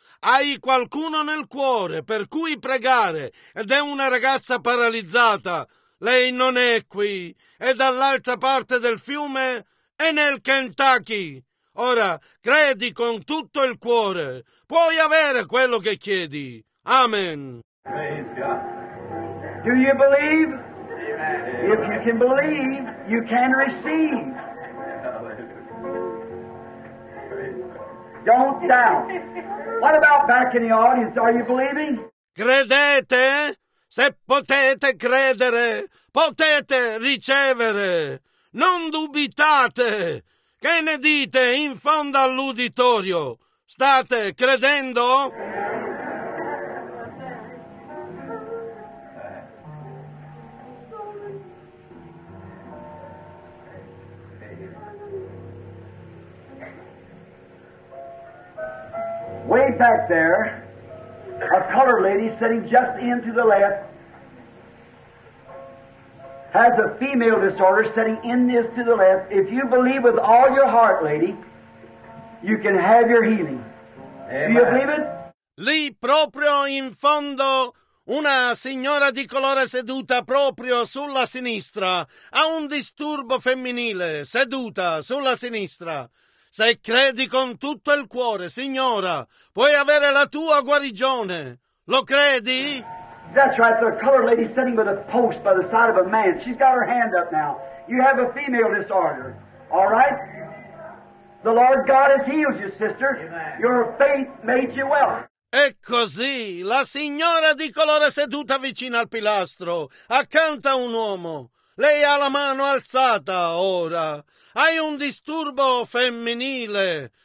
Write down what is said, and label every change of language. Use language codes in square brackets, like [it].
[it] Hai qualcuno nel cuore per cui pregare, ed è una ragazza paralizzata. Lei non è qui, è dall'altra parte del fiume e nel Kentucky. Ora, credi con tutto il cuore. Puoi avere quello che chiedi. Amen. [en] Praise God. Do you believe? Amen. If you can believe, you can receive. Don't doubt. What about back in the audience? Are you believing? [it] Credete? Se potete credere, potete ricevere. Non dubitate. Che ne dite in fondo all'uditorio? State credendo? [en] Way back there, a colored lady sitting just in to the left has a female disorder sitting in this to the left. If you believe with all your heart, lady, you can have your healing. Amen. Do you believe it? [it] Lì proprio in fondo, una signora di colore seduta proprio sulla sinistra ha un disturbo femminile, seduta sulla sinistra. Se credi con tutto il cuore, signora, puoi avere la tua guarigione. Lo credi? [en] That's right, the colored lady sitting with a post by the side of a man. She's got her hand up now. You have a female disorder, all right? The Lord God has healed you, sister. Amen. Your faith made you well. [it] E così, la signora di colore seduta vicino al pilastro, accanto a un uomo. Lei ha la mano alzata ora. Hai un disturbo femminile.